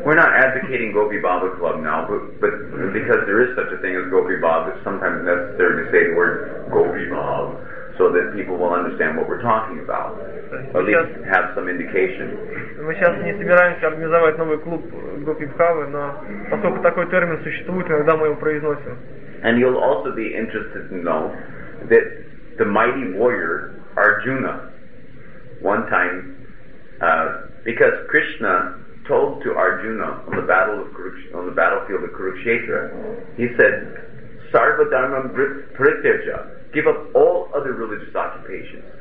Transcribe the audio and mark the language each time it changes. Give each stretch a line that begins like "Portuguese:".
English: We're not advocating Gopi Bhava Club now, but because there is such a thing as Gopi Bhava, it's sometimes necessary to say the word Gopi Bhava, so that people will understand what we're talking about. At least have some indication.
Russian: Мы сейчас не собираемся организовать новый клуб Гопи Бхавы, но поскольку такой термин существует, иногда мы его произносим.
English: And you'll also be interested to know that the mighty warrior Arjuna, one time, because Krishna told to Arjuna on the battle of on the battlefield of Kurukshetra, he said,
Sanskrit: "Sarva dharmam parityaja,
English: give up all other religious occupations."